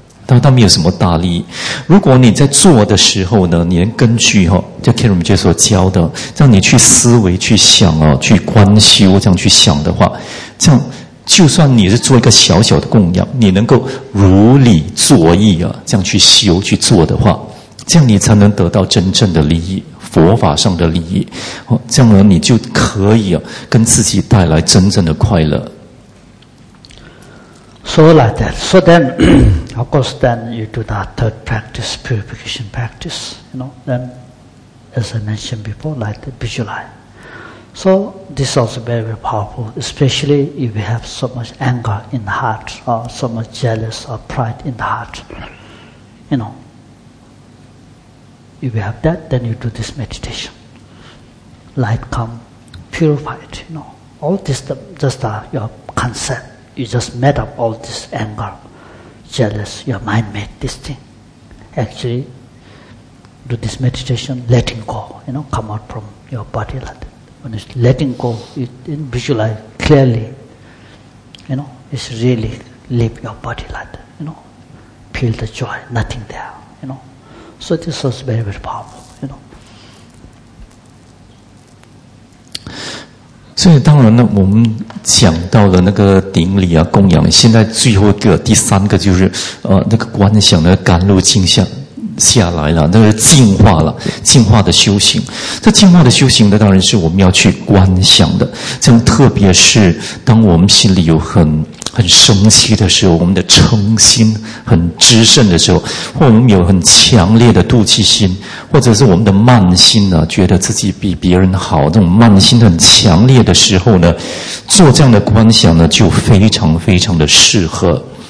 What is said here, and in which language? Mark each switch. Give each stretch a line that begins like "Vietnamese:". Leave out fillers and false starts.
Chinese: 他没有什么大利益。如果你在做的时候呢，你能根据齁，就 Karen 姐所教的，让你去思维去想齁，去观修这样去想的话，这样就算你是做一个小小的供养，你能够如理作意啊，这样去修去做的话，这样你才能得到真正的利益，佛法上的利益。这样呢，你就可以啊，跟自己带来真正的快乐。
English: So like that. So then, of course, then you do that third practice, purification practice, you know, then, as I mentioned before, like the visualize. So, this is also very, very powerful, especially if you have so much anger in the heart, or so much jealous or pride in the heart, you know. If you have that, then you do this meditation. Light come, purify it, you know. All this, just your concept. You just made up all this anger, jealous, your mind made this thing. Actually, do this meditation, letting go, you know, come out from your body like that. When it's letting go, it visualize clearly, you know, it's really leave your body like that, you know. Feel the joy, nothing there, you know. So this was very, very powerful, you know.
Chinese: 所以当然呢，我们讲到了那个顶礼啊，供养。现在最后一个，第三个就是，那个观想的甘露静下来了，那个净化了，净化的修行。这净化的修行呢，当然是我们要去观想的。这样，特别是当我们心里有很生气的时候，我们的嗔心很炽盛的时候，或我们有很强烈的妒忌心，或者是我们的慢心呢，觉得自己比别人好，这种慢心很强烈的时候呢，做这样的观想呢，就非常非常的适合。